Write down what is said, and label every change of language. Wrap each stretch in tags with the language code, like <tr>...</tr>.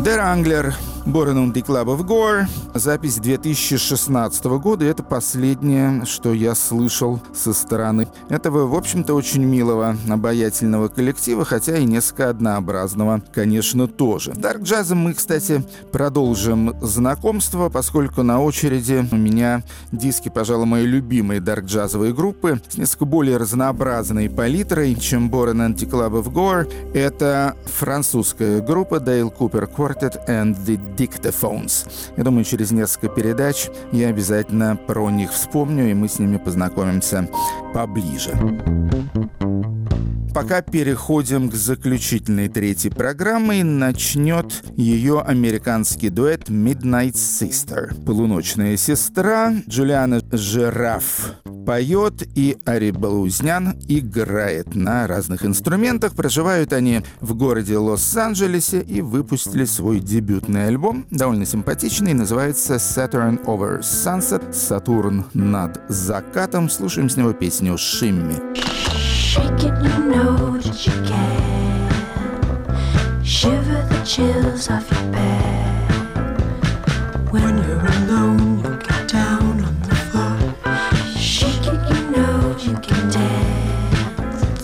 <ru>Англер, Born in the Club of Gore, запись 2016 года, это последнее, что я слышал со стороны этого, в общем-то, очень милого, обаятельного коллектива, хотя и несколько однообразного, конечно, тоже. Дарк джазом мы, кстати, продолжим знакомство, поскольку на очереди у меня диски, пожалуй, мои любимые дарк-джазовые группы с несколько более разнообразной палитрой, чем Born in the Club of Gore. Это французская группа Dale Cooper Quartet and the Dictaphones. Я думаю, через несколько передач я обязательно про них вспомню, и мы с ними познакомимся поближе. Пока переходим к заключительной третьей программе, и начнет ее американский дуэт Midnight Sister. Полуночная сестра. Джулиана Жираф поет, и Ари Балузнян играет на разных инструментах. Проживают они в городе Лос-Анджелесе и выпустили свой дебютный альбом, довольно симпатичный, называется Saturn Over Sunset. Сатурн над закатом. Слушаем с него песню «Shimmy».</ru> <en>Shake it, you know that you can. Shiver the chills off your back. When you're alone, you get down on the floor. Shake it, you know you can dance.</en>